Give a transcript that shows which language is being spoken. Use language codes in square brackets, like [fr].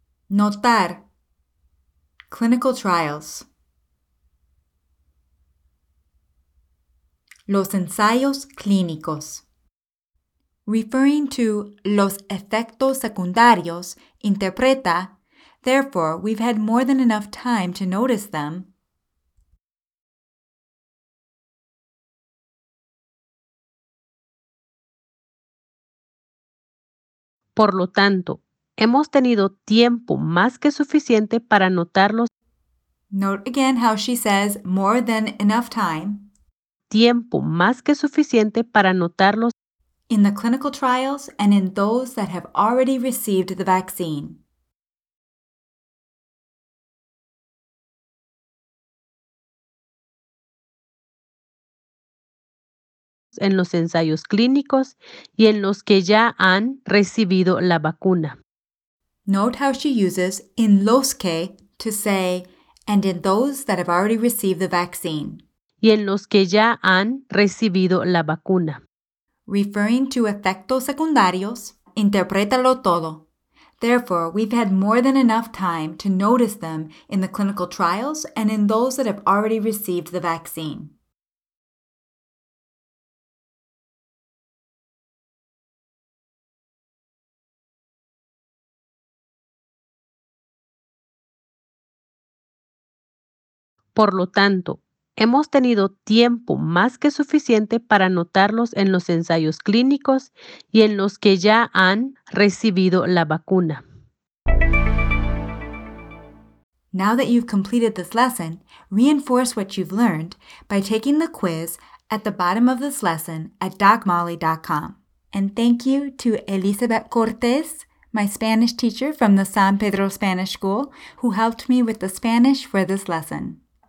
[es] Notar, [en] clinical trials, [es] los ensayos clínicos, [en] referring to [es] los efectos secundarios, interpreta, [en] therefore we've had more than enough time to notice them. [es] Por lo tanto, hemos tenido tiempo más que suficiente para notarlos. [en] Note again how she says more than enough time. [es] Tiempo más que suficiente para notarlos. [en] In the clinical trials and in those that have already received the vaccine. [es] En los ensayos clínicos y en los que ya han recibido la vacuna. [en] Note how she uses in [es] los que [en] to say and in those that have already received the vaccine. [es] Y en los que ya han recibido la vacuna. [en] Referring to [es] efectos secundarios, interprétalo todo. [en] Therefore, we've had more than enough time to notice them in the clinical trials and in those that have already received the vaccine. [es] Por lo tanto, hemos tenido tiempo más que suficiente para notarlos en los ensayos clínicos y en los que ya han recibido la vacuna. [en] Now that you've completed this lesson, reinforce what you've learned by taking the quiz at the bottom of this lesson at DocMolly.com. And thank you to Elizabeth Cortez, my Spanish teacher from the San Pedro Spanish School, who helped me with the Spanish for this lesson.